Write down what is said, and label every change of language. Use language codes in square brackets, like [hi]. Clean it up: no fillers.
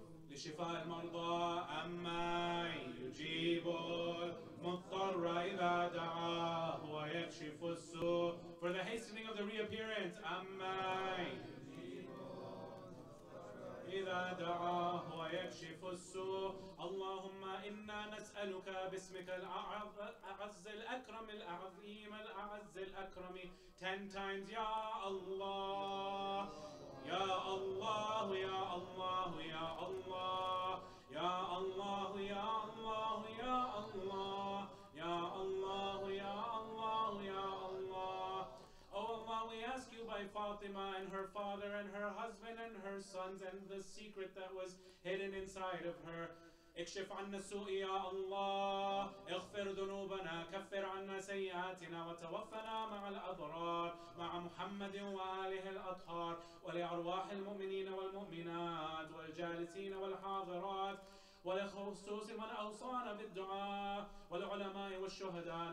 [ar] لشفاء المرضى أما يجيب المضطر إذا دعاه ويكشف السوء. [en] For the hastening of the reappearance, [ar] أما إذا دعاه ويكشف السوء. اللهم إنا نسألك باسمك الأعز الأكرم الأعظيم الأعز الأكرم [en] 10 times. [ar] يا الله يا الله يا الله يا الله يا الله يا الله يا الله يا الله يا الله يا الله. [en] Oh Allah, we ask you by Fatima and her father and her husband and her sons and the secret that was hidden inside of her. [ar] اكشف عنا السوء يا الله اغفر ذنوبنا كفر عنا سيئاتنا وتوفنا مع الأبرار مع محمد وآله الأطهار ولأرواح المؤمنين والمؤمنات والجالسين والحاضرات ولخصوص من أوصانا بالدعاء والعلماء والشهداء.